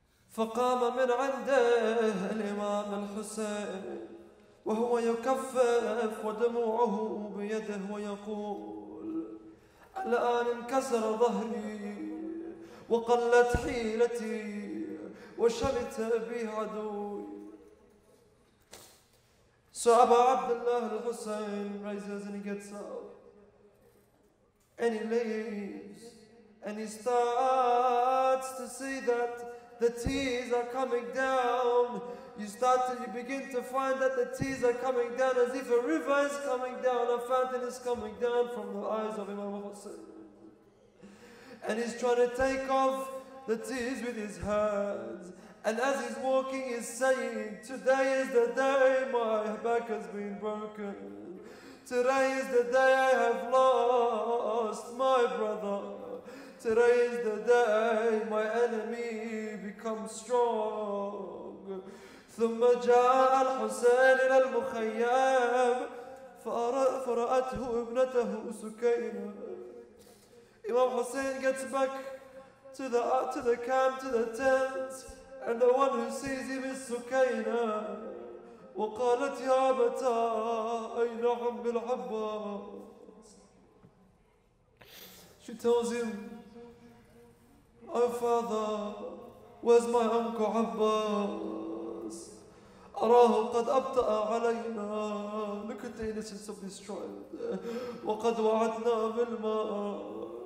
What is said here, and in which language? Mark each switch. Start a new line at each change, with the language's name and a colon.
Arabic: فقام من عنده الإمام الحسين وهو يكفف ودموعه بيده ويقول الآن انكسر ظهري وقلت حيلتي وشمت بي عدوي.
English: So أبو عبد الله الحسين raises and he gets up and he leaves and he starts to see that the tears are coming down. You begin to find that the tears are coming down as if a river is coming down, a fountain is coming down from the eyes of Imam Hussein. And he's trying to take off the tears with his hands. And as he's walking, he's saying, today is the day my back has been broken. Today is the day I have lost my brother. Today is the day my enemy becomes strong.
Arabic: ثم جاء الحسين إلى المخيم فرأته ابنته سكينة.
English: Imam Hussein gets back to the camp, to the tent, and the one who sees him is سكينة.
Arabic: وقالت يا أبتاه أين عم بالعباس.
English: She tells him, "Oh father, where's my uncle Abbas?
Arabic: أراه قد أبطأ علينا.
English: Look at the innocence of this child.
Arabic: وقد وعدنا بالماء."